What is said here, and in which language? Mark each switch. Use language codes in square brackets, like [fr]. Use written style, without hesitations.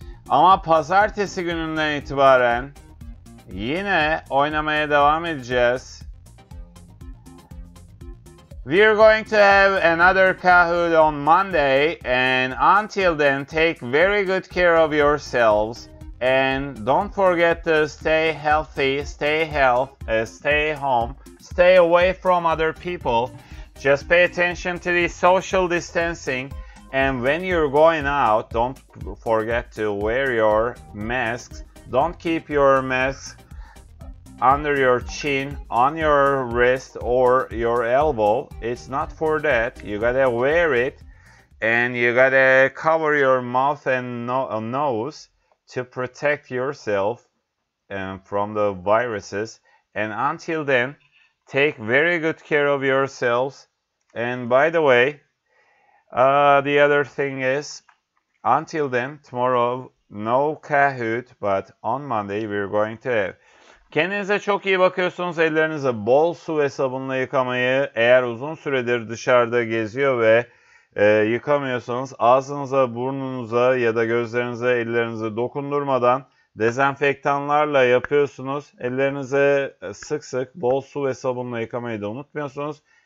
[tr] Ama pazartesi gününden itibaren yine oynamaya devam edeceğiz. [en] We're going to have another Kahoot on Monday. And until then, take very good care of yourselves. And don't forget to stay healthy, stay healthy, stay home, stay away from other people. Just pay attention to the social distancing. And when you're going out, don't forget to wear your masks. Don't keep your masks under your chin, on your wrist or your elbow. It's not for that. You gotta wear it and you gotta cover your mouth and nose to protect yourself from the viruses. And until then, take very good care of yourselves. And by the way, the other thing is, until then, tomorrow, no Kahoot, but on Monday, we're going to have. [tr] Kendinize çok iyi bakıyorsunuz. Ellerinizi bol su ve sabunla yıkamayı, eğer uzun süredir dışarıda geziyor ve yıkamıyorsanız, ağzınıza, burnunuza ya da gözlerinize, ellerinize dokundurmadan dezenfektanlarla yapıyorsunuz. Ellerinize sık sık bol su ve sabunla yıkamayı da unutmuyorsunuz.